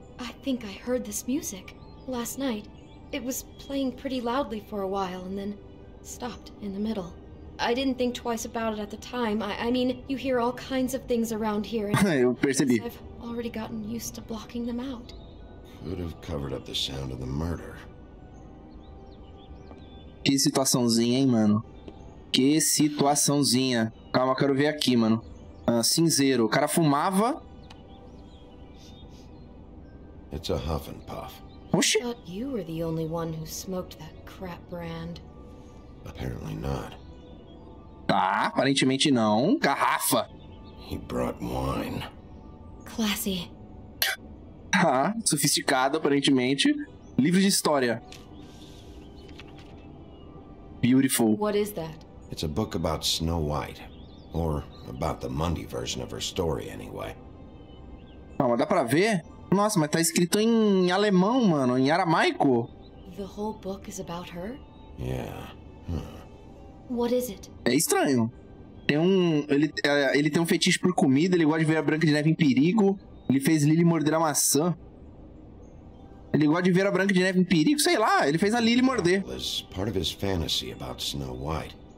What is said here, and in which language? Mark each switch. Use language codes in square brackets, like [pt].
[en] I think I heard this music. Last night, it was playing pretty loudly for a while and then stopped in the middle. I didn't think twice about it at the time. I mean, you hear all kinds of things around here. [pt] Eu percebi. [en] I've already gotten used to blocking them out. Could have covered up the sound of the murder. [pt] Que situaçãozinha, hein, mano? Que situaçãozinha. Calma, quero ver aqui, mano. Cinzeiro. O cara fumava. [en] It's a huff and puff. [pt] Oxi. [en] I thought you were the only one who smoked that crap brand. Apparently not. [pt] Tá, aparentemente não. Garrafa. [en] He brought wine. Classy. [pt] Tá, sofisticado, aparentemente. Livro de história. [en] Beautiful. What is that? It's a book about Snow White. Or about the Mundy version of her story, anyway. [pt] Ah, mas dá pra ver? Nossa, mas tá escrito em alemão, mano, em aramaico. [en] The whole book is about her? Yeah. What is it? [pt] É estranho. Tem um... Ele tem um fetiche por comida, ele gosta de ver a Branca de Neve em perigo. Ele fez Lily morder a maçã. Ele gosta de ver a Branca de Neve em perigo, sei lá, ele fez a Lily morder. [en] Was part of his fantasy about Snow White.